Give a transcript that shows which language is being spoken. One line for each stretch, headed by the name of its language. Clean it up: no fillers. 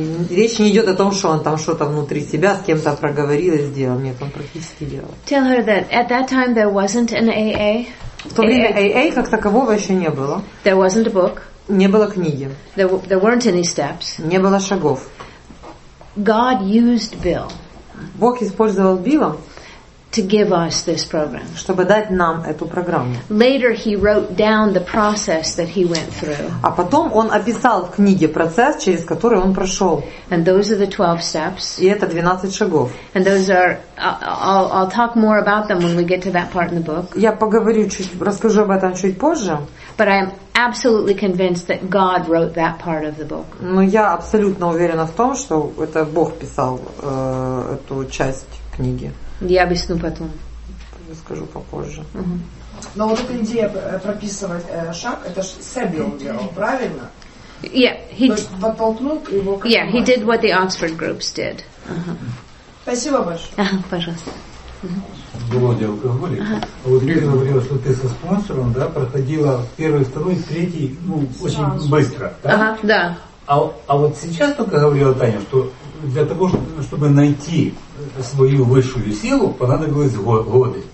Russian: Речь не идет о том, что он там что-то внутри себя с кем-то проговорил и сделал. Нет, он практически делал.
English: Tell her that at that time there wasn't an AA.
Russian: В то время AA как такового еще не было.
English: There wasn't a book.
Russian: Не было книги.
English: There weren't any steps.
Russian: Не было шагов.
English: God used Bill.
Russian: Бог использовал Билла.
English: to give us this program.
Russian: Чтобы дать нам эту программу.
English: Later he wrote down the process that he went through.
Russian: А потом он описал в книге процесс, через который он прошел.
English: And those are the 12 steps.
Russian: И это 12 шагов.
English: And those are I'll talk more about them when we get to that part in the book.
Russian: Я поговорю чуть, расскажу об этом чуть позже.
English: But I am absolutely convinced that God wrote that part of the book.
Russian: Но я абсолютно уверена в том, что это Бог писал эту часть книги. Я объясню потом. Скажу попозже. Но вот эта идея прописывать шаг, это же Себи он делал, правильно?
English: Yeah, he did what the Oxford groups did.
Russian: Спасибо большое. Пожалуйста. Вроде алкоголик. А вот Лиза говорила, что ты со спонсором, да, проходила первый, второй, третий, ну, очень быстро, да? Да. А вот сейчас только говорила Таня, что для того, чтобы найти свою высшую силу, понадобилось годы.